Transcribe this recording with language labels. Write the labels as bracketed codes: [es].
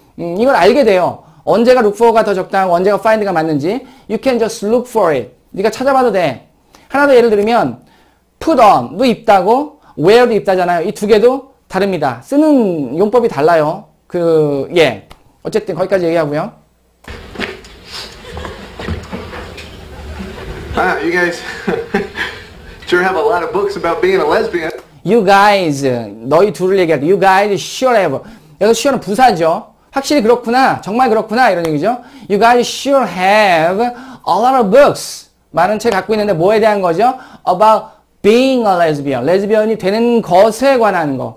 [ko] 이걸 알게 돼요. 언제가 look for가 더 적당하고 언제가 find가 맞는지. [en] You can just look for it. [ko] 네가 찾아봐도 돼. 하나 더 예를 들면 put on도 입다고 wear도 입다잖아요. 이 두 개도 다릅니다. 쓰는 용법이 달라요. 그 예. 어쨌든 거기까지 얘기하고요. [en] Wow, you guys sure have a lot of books about being a lesbian. You guys, [ko] 너희 둘을 얘기할 때, [en] you guys sure have. [ko] 여기서 sure는 부사죠. 확실히 그렇구나, 정말 그렇구나 이런 얘기죠. [en] You guys sure have a lot of books. [ko] 많은 책 갖고 있는데 뭐에 대한 거죠? [en] About being a lesbian. [ko] 레즈비언이 되는 것에 관한 거.